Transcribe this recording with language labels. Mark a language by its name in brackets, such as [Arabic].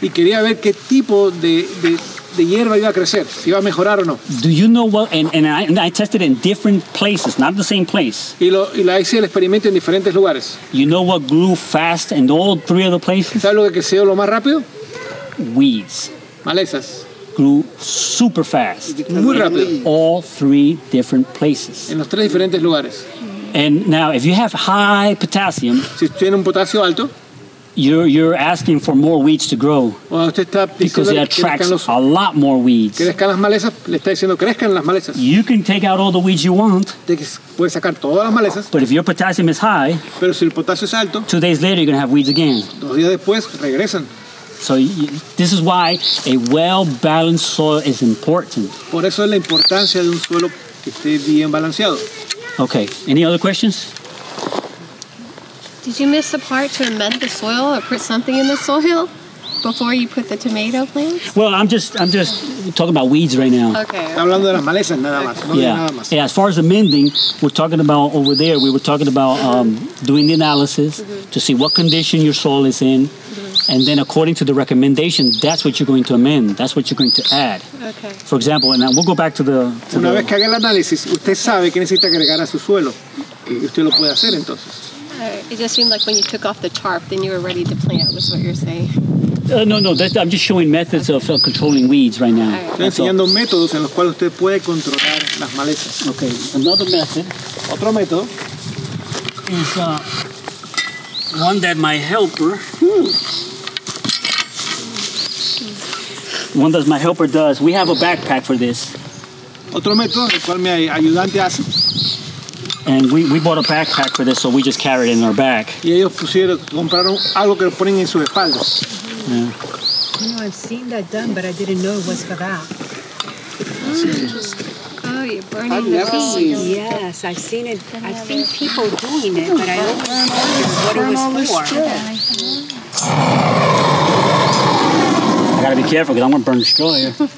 [Spanish] Y quería ver qué tipo de hierba iba a crecer, si iba a mejorar o no. [English] Do you know what, and I tested it in different places, not the same place. [Spanish] Y la hice el experimento en diferentes lugares. [English] You know what grew fast in all three other places? [Spanish] ¿Sabes lo que creció lo más rápido? [English] Weeds. [Spanish] Malezas. [English] Grew super fast. [Spanish] Muy rápido. [English] All three different places. [Spanish] En los tres diferentes lugares. [English] And now, if you have high potassium, [Spanish] si tiene un potasio alto, [English] you're asking for more weeds to grow. [Spanish] Bueno, usted está [English] because it attracts a lot more weeds. [Spanish] Crezcan las malezas. Le está diciendo, crezcan las malezas. [English] You can take out all the weeds you want. [Spanish] Puedes sacar todas las malezas. [English] But if your potassium is high, [Spanish] pero si el potasio es alto, [English] 2 days later you're going to have weeds again. [Spanish] 2 días después regresan. [English] So this is why a well-balanced soil is important. [Spanish] Por eso es la importancia de un suelo que esté bien balanceado. [English] Okay, any other questions? Did you miss the part to amend the soil or put something in the soil before you put the tomato plants? Well, I'm just talking about weeds right now. Okay. [Spanish] Hablando de las malezas nada más. [English] Yeah. Yeah, as far as amending, we're talking about over there, we were talking about doing the analysis to see what condition your soil is in. And then according to the recommendation, that's what you're going to amend. That's what you're going to add. Okay. For example, and now we'll go back to the... [Spanish] Una vez que haga el análisis, usted sabe que necesita agregar a su suelo. Y usted lo puede hacer, entonces. [English] It just seemed like when you took off the tarp, then you were ready to plant, was what you're saying. No. I'm just showing methods of controlling weeds right now. [Spanish] Estoy enseñando métodos en los cuales usted puede controlar las malezas. [English] Okay. Another method. [Spanish] Otro método. [English] Is one that my helper... One that my helper does. We have a backpack for this. [Spanish] Otro método el cual mi ayudante hace. [English] And we bought a backpack for this, so we just carry it in our back. [Spanish] Y ellos pusieron, compraron algo que lo ponen en sus espaldas. [English] Yeah. You know, I've seen that done, but I didn't know it was for that. Oh, you're burning I've the seeds. Yes, I've seen it. I've seen people doing it, but I don't know what it was for. I gotta be careful because I'm gonna burn the straw here.